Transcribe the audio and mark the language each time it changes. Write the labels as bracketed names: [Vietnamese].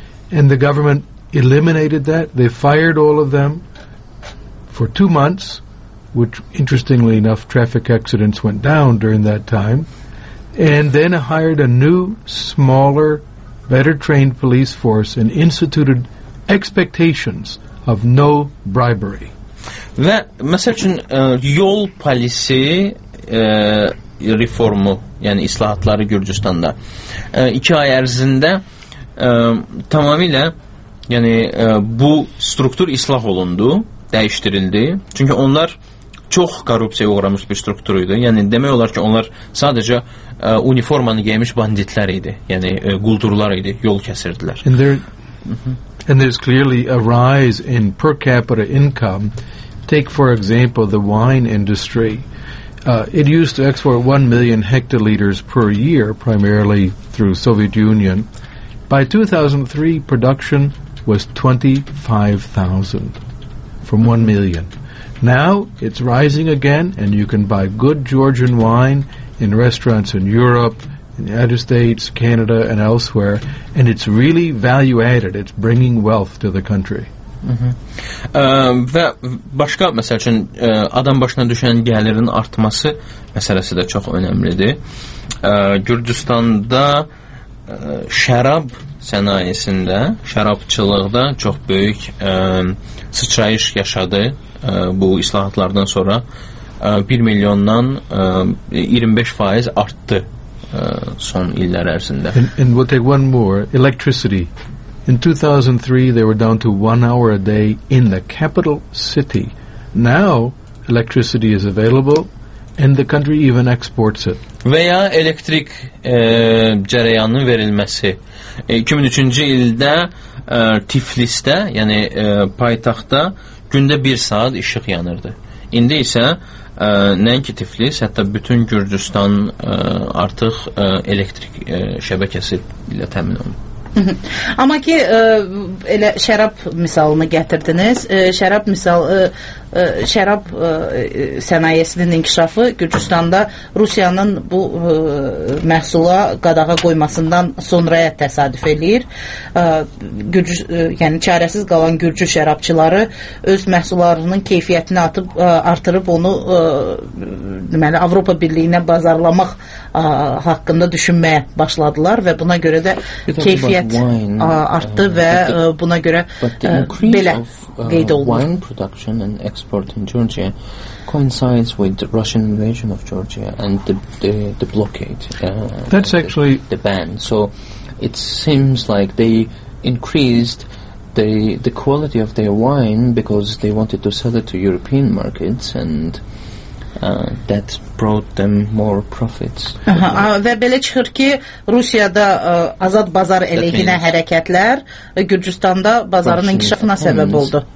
[English] And the government eliminated that. They fired all of them for 2 months, which, interestingly enough, traffic accidents went down during that time. And then hired a new, smaller, better-trained police force and instituted expectations of no bribery. [Azerbaijani] Və, məsəl üçün, yol polisi reformu, yəni islahatları Gürcüstanda 2 ay ərzində tamamilə, yəni bu struktur islah olundu, dəyişdirildi. Çünki onlar çox korrupsiyaya uğramış bir strukturuydu. Yəni, demək olar ki, onlar sadəcə uniformanı geymiş banditlər idi, yəni quldurlar idi, yol kəsirdilər. [English] And there's clearly a rise in per capita income. Take, for example, the wine industry. It used to export 1 million hectoliters per year, primarily through Soviet Union. By 2003, production was 25,000 from 1 million. Now it's rising again, and you can buy good Georgian wine in restaurants in Europe, in the United States, Canada, and elsewhere, and it's really value-added. It's bringing wealth to the country. [Azerbaijani] Və başqa, məsəl üçün, adam başına düşən gəlirin artması məsələsi də çox önəmlidir. Gürcüstanda şərab sənayesində, şərabçılıqda çox böyük sıçrayış yaşadı bu islahatlardan sonra. 1 milyondan 25% arttı son illər ərzində. [English] And we'll take one more, electricity. In 2003, they were down to 1 hour a day in the capital city. Now, electricity is available and the country even exports it. [Azerbaijani] Və ya elektrik cərəyanının verilməsi. 2003-cü ildə Tiflisdə, yəni paytaxtda gündə 1 saat işıq yanırdı. İndi isə nəinki Tiflis, hətta bütün Gürcüstan artıq elektrik şəbəkəsi ilə təmin olunur. Amma ki elə şərab misalını gətirdiniz. Şərab misal şərab sənayesinin inkişafı Gürcüstanda Rusiyanın bu məhsula qadağa qoymasından sonraya təsadüf eləyir. Yəni çarəsiz qalan Gürcü şərabçıları öz məhsullarının keyfiyyətini atıb artırıb onu deməli Avropa Birliyinə bazarlamaq haqqında düşünməyə başladılar və buna görə də keyfiyyət arttı və buna görə belə qeyd olunur. [English] Wine production and export in Georgia coincides with the Russian invasion of Georgia and the blockade. That's actually the ban. So it seems like they increased the quality of their wine because they wanted to sell it to European markets and that brought them more profits. [Azerbaijani] Və belə çıxır ki, Rusiyada azad bazar əleyhinə hərəkətlər Gürcüstanda bazarın inkişafına səbəb oldu.